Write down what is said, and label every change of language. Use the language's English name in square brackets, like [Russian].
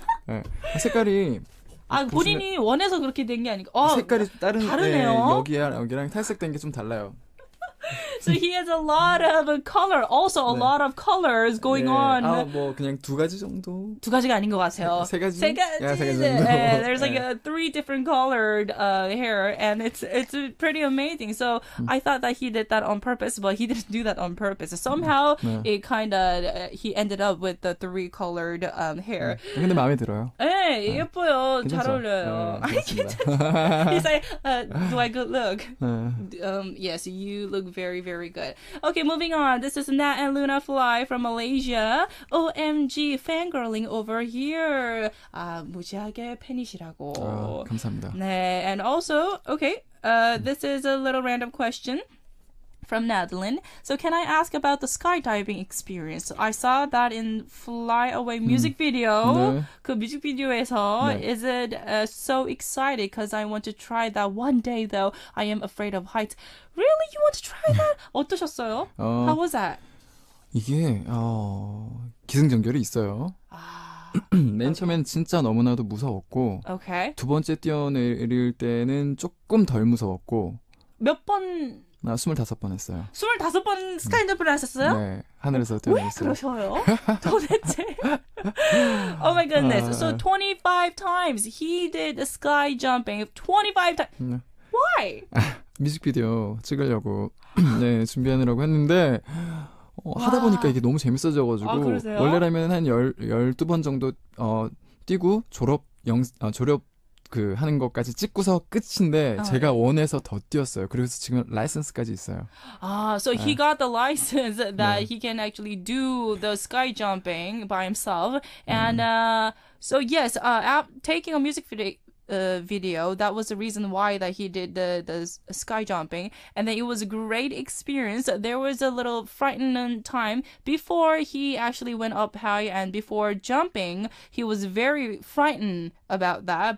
[Korean] 예, 색깔이. 아, 본인이 원해서 그렇게 된 게 아니고. 색깔이 다르네요. 네, 여기랑 탈색된 게 좀 달라요. [English] So he has a lot of color, also a lot of colors going on. [Korean] 아, 뭐 그냥 두 가지 정도. 두 가지가 아닌 것 같아요. 세 가지. [English] There's like three different colored hair, and it's pretty amazing. So I thought that he did that on purpose, but he didn't do that on purpose. Somehow it kind of he ended up with the three colored hair. [Korean] 근데 마음에 들어요. 네, 예뻐요. 잘 어울려요. 괜찮습니다. [English] He's like, do I look? Yes, you look very, very good. Okay, moving on. This is Nat and Luna Fly from Malaysia. OMG, fangirling over here. [Korean] 아, 무지하게 팬이시라고. 아, 감사합니다. 네, [English] and also, okay, this is a little random question from Natalie. So can I ask about the skydiving experience? I saw that in Fly Away music video. [Korean] 네. 그 뮤직비디오에서. 네. [English] Is it so excited because I want to try that one day though. I am afraid of heights. Really? You want to try that? [Korean] 어떠셨어요? [English] How was that? [Korean] 이게 기승전결이 있어요. 맨 처음엔 진짜 너무나도 무서웠고 [English] okay. [Korean] 두 번째 뛰어내릴 때는 조금 덜 무서웠고 몇 번... 나 25번 했어요. 25번 스카이점프를 하셨어요? 네. 하늘에서 뛰어내렸어요. 왜 그러셔요? 도대체? [English] Oh my goodness. So 25 times he did the sky jumping. 25 times. [Korean] 네. [English] Why? [Korean] 뮤직비디오 찍으려고 네, 준비하느라고 했는데 하다 보니까 이게 너무 재밌어져가지고 원래라면 한 12번 정도 뛰고 졸업 그 하는 것까지 찍고서 끝인데 제가 원해서 더 뛰었어요. 그래서 지금 라이선스까지 있어요. 아, [English] so he got the license that he can actually do the sky jumping by himself. And so yes, taking a music video, that was the reason why that he did the sky jumping. And then it was a great experience. There was a little frightening time before he actually went up high and before jumping, he was very frightened about that.